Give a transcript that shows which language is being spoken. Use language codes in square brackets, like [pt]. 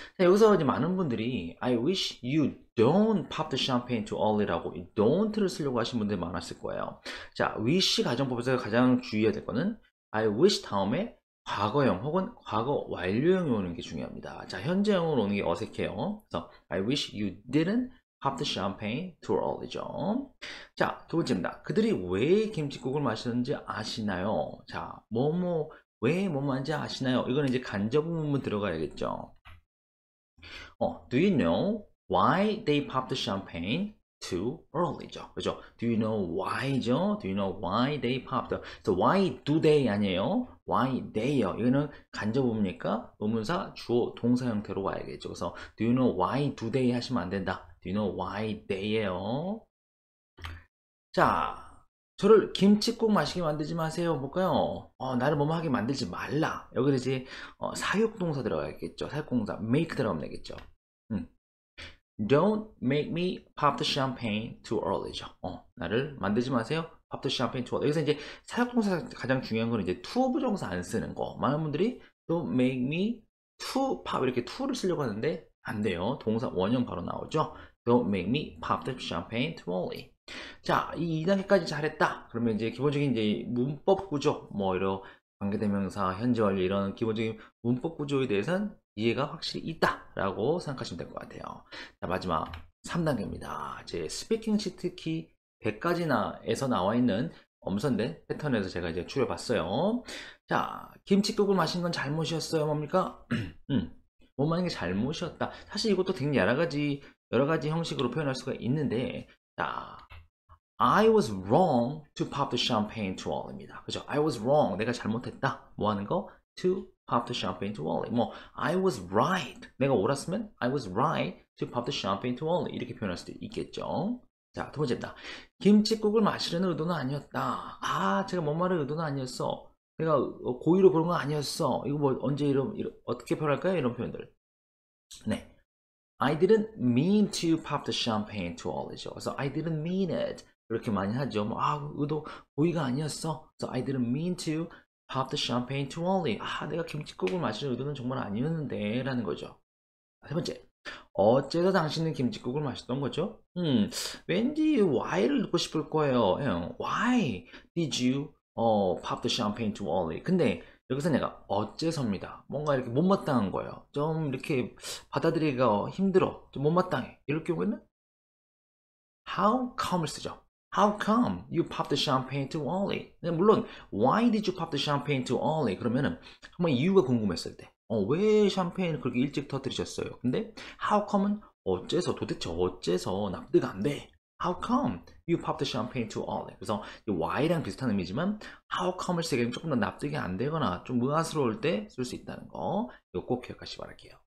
[ko] 자, 여기서 이제 많은 분들이 [en] I wish you don't pop the champagne too early [ko] 라고 이 don't를 쓰려고 하신 분들이 많았을 거예요. 자, wish 가정법에서 가장 주의해야 될 거는 I wish 다음에 과거형 혹은 과거 완료형이 오는 게 중요합니다. 자, 현재형으로 오는 게 어색해요. [en] 그래서 I wish you didn't pop the champagne too early죠. [ko] 자, 두 번째입니다. 그들이 왜 김칫국을 마시는지 아시나요? 자, 뭐뭐 왜 뭐뭐 하는지 아시나요? 이거는 이제 간접 문문 들어가야겠죠. [en] Do you know why they pop the champagne too early죠? [ko] 그렇죠? [en] Do you know why죠? Do you know why they pop the? So why do they [ko] 아니에요? [en] Why they요? [ko] 이거는 간접 문입니까? 의문사 주어 동사 형태로 와야겠죠. 그래서 [en] Do you know why do they [ko] 하시면 안 된다. [en] Do you know why they예요? [ko] 자, 저를 김칫국 마시게 만들지 마세요. 볼까요? 나를 뭐뭐하게 만들지 말라. 여기는 이제 사역동사 들어가야겠죠. 사역동사 [en] make [ko] 들어가면 되겠죠. [en] Don't make me pop the champagne too early죠. [ko] 나를 만들지 마세요. [en] Pop the champagne too early. [ko] 여기서 이제 사역동사 가장 중요한 건 이제 to 부정사 안 쓰는 거. 많은 분들이 [en] Don't make me to pop [ko] 이렇게 to를 쓰려고 하는데 안 돼요. 동사 원형 바로 나오죠. [en] Don't make me pop the champagne too early. [ko] 자, 이 2단계까지 잘했다. 그러면 이제 기본적인 이제 문법 구조, 뭐 이런 관계대명사, 현재완료 이런 기본적인 문법 구조에 대해서는 이해가 확실히 있다라고 생각하시면 될 것 같아요. 자, 마지막 3단계입니다. 제 스피킹 시트 키 100가지나에서 나와 있는 엄선된 패턴에서 제가 이제 추려봤어요. 자, 김칫국을 마신 건 잘못이었어요, 뭡니까? 못 마는 게 잘못이었다. 사실 이것도 되게 여러 가지 형식으로 표현할 수가 있는데, 자, [en] I was wrong to pop the champagne too early [ko] 입니다. 그죠? [en] I was wrong. [ko] 내가 잘못했다. 뭐 하는 거? [en] To pop the champagne too early. 뭐, I was right. [ko] 내가 옳았으면 [en] I was right to pop the champagne too early. [ko] 이렇게 표현할 수도 있겠죠. 자, 두 번째입니다. 김칫국을 마시려는 의도는 아니었다. 아, 제가 뭔 말을 의도는 아니었어. 내가 고의로 그런 거 아니었어. 이거 뭐 언제 이런 어떻게 표현할까요? 이런 표현들. [en] 네, I didn't mean to pop the champagne too early죠. So I didn't mean it. [ko] 이렇게 많이 하죠. 뭐, 아, 의도 고의가 아니었어. [en] So I didn't mean to pop the champagne too early. [ko] 아, 내가 김칫국을 마실 의도는 정말 아니었는데라는 거죠. 세 번째. 어째서 당신은 김칫국을 마셨던 거죠? 왠지 why를 듣고 싶을 거예요. [en] 형, why did you pop the champagne too early. [ko] 근데 여기서 내가 어째서입니다. 뭔가 이렇게 못마땅한 거예요. 좀 이렇게 받아들이기가 힘들어. 좀 못마땅해. 이럴 경우에는 how come을 쓰죠. [en] How come you pop the champagne too early? [ko] 네, 물론 [en] why did you pop the champagne too early? [ko] 그러면은 한번 이유가 궁금했을 때 왜 샴페인을 그렇게 일찍 터뜨리셨어요? 근데 how come은 어째서 도대체 어째서 납득 안 돼. [en] How come you pop the champagne to Ollie? [ko] 그래서 이 why랑 비슷한 의미지만 how come을 쓰기에는 조금 더 납득이 안 되거나 좀 의아스러울 때쓸수 있다는 거 이거 꼭 기억하시기 바랄게요.